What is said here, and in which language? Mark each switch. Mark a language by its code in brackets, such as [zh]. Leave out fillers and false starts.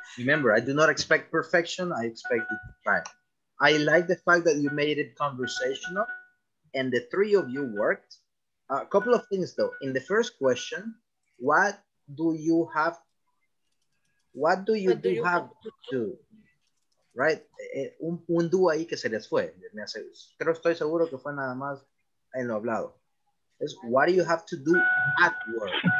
[en] Remember, I do not expect perfection, I expect you to try. I like the fact that you made it conversational and the three of you worked. A couple of things though. In the first question, what do you have to do? Right? [es] Un dúo ahí que se les fue. Creo, estoy seguro que fue nada más en lo hablado. [en] Es, what do you have to do at work?